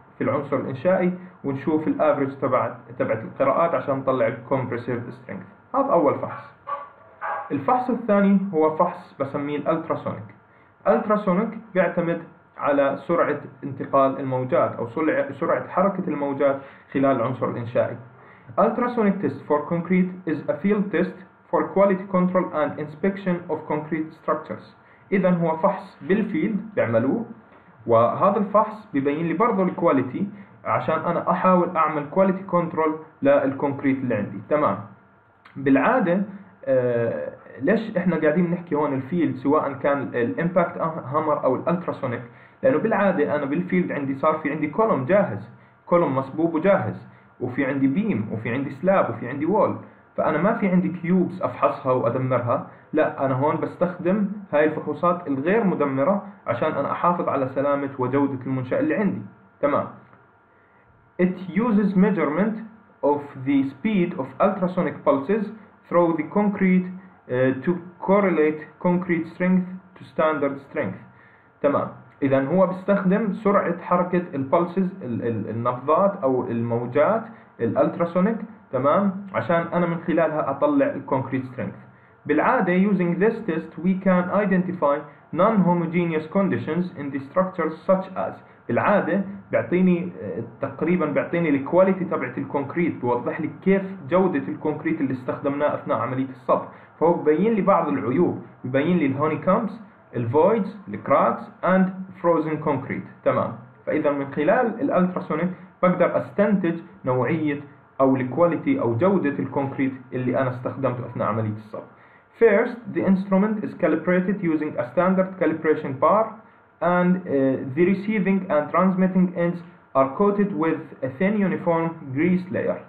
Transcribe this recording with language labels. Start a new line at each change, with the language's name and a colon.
Arabic: في العنصر الإنشائي ونشوف الأفريج تبعت القراءات عشان نطلع الكومبرسيف سترينث. هذا أول فحص. الفحص الثاني هو فحص بسميه الألتراسونيك. الألتراسونيك بيعتمد على سرعة انتقال الموجات أو سرعة حركة الموجات خلال العنصر الإنشائي.
English: Ultrasonic test for concrete is a field test for quality control and inspection of concrete structures.
Arabic: إذا هو فحص بالفيلد بيعملوه، وهذا الفحص بيبين لي برضو الكواليتي عشان أنا أحاول أعمل quality control للكونكريت اللي عندي. تمام. بالعادة ليش إحنا قاعدين نحكي هون الفيلد سواء كان الإمباكت هامر أو الألتراسونيك؟ لأنه بالعادة أنا بالفيلد عندي صار في عندي كولوم جاهز، كولوم مصبوب وجاهز، وفي عندي بيم وفي عندي سلاب وفي عندي وول، فأنا ما في عندي كيوبس أفحصها وأدمرها. لا، أنا هون بستخدم هاي الفحوصات الغير مدمرة عشان أنا أحافظ على سلامة وجودة المنشأة اللي عندي. تمام.
English: It uses measurement of the speed of ultrasonic pulses through the concrete to correlate concrete strength to standard strength.
Arabic: تمام. إذا هو بيستخدم سرعة حركة البلسز النبضات أو الموجات الألتراسونيك، تمام، عشان أنا من خلالها أطلع الكونكريت سترينث. بالعادة
English: using this test we can identify non-homogeneous conditions in the structures such as.
Arabic: بالعادة بيعطيني تقريبا بيعطيني الكواليتي تبعت الكونكريت، بيوضح لي كيف جودة الكونكريت اللي استخدمناه أثناء عملية الصب، فهو ببين لي بعض العيوب، ببين لي الهونيكامبس، الفويدز، الكراكس،
English: and frozen concrete.
Arabic: تمام. فإذا من خلال الألتراسونيك بقدر أستنتج نوعية أو الكواليتي أو جودة الكونكريت اللي أنا استخدمته أثناء عملية الصب.
English: First, the instrument is calibrated using a standard calibration bar and the receiving and transmitting ends are coated with a thin uniform grease layer.